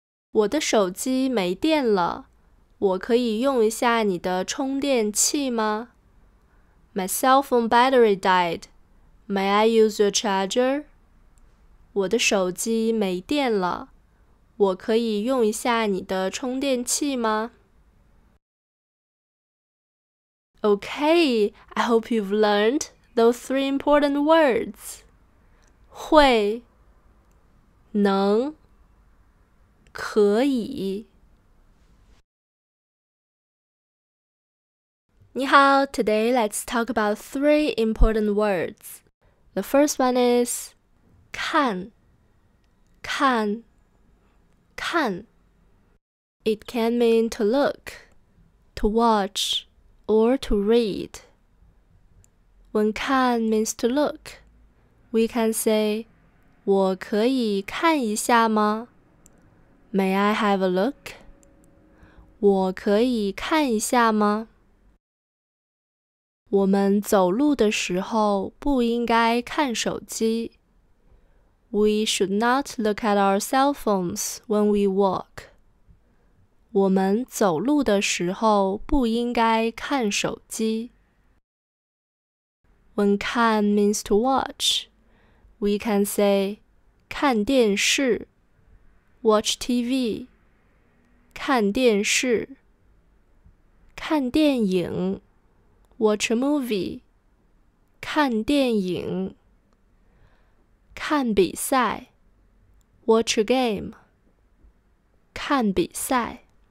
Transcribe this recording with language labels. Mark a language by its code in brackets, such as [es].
[zh] 我的手机没电了，我可以用一下你的充电器吗？ [en] My cell phone battery died. May I use your charger? [zh] 我的手机没电了，我可以用一下你的充电器吗？ [en] Okay, I hope you've learned those three important words. [zh] 会能可以你好 [en] Today, let's talk about three important words. The first one is 看看看 It can mean to look, to watch, or to read. When 看 means to look, we can say [zh] 我可以看一下吗？ [en] May I have a look? [zh] 我可以看一下吗？我们走路的时候不应该看手机。 [en] We should not look at our cell phones when we walk. [zh] 我们走路的时候不应该看手机。 [en] When 看 means to watch, we can say 看电视。 Watch TV, 看电视，看电影 ,watch a movie, 看电影，看比赛 ,watch a game, 看比赛。